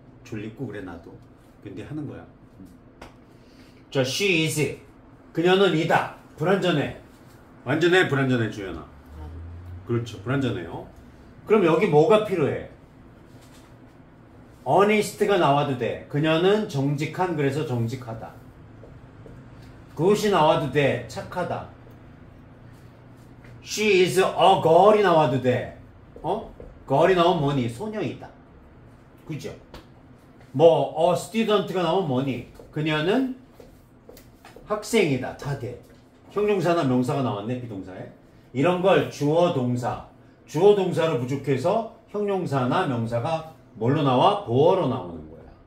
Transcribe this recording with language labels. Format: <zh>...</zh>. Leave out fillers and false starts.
<ko>졸리고 그래, 나도. 근데 하는 거야. 자,</ko> <en>she is it.</en> <ko>그녀는 이다. 불완전해. 완전해, 불완전해, 주연아. 그렇죠, 불완전해요. 그럼 여기 뭐가 필요해? Honest가 나와도 돼. 그녀는 정직한, 그래서 정직하다. Good이 나와도 돼. 착하다.</ko> <en>She is a girl이</en> <ko>나와도 돼. 어? Girl이 나오면 뭐니? 소녀이다. 그죠? 뭐,</ko> <en>a student</en> <ko>가 나오면 뭐니? 그녀는 학생이다. 다 돼. 형용사나 명사가 나왔네, 비동사에. 이런 걸 주어 동사. 주어 동사를 부족해서 형용사나 명사가 뭘로 나와? 보어로 나오는 거야.</ko>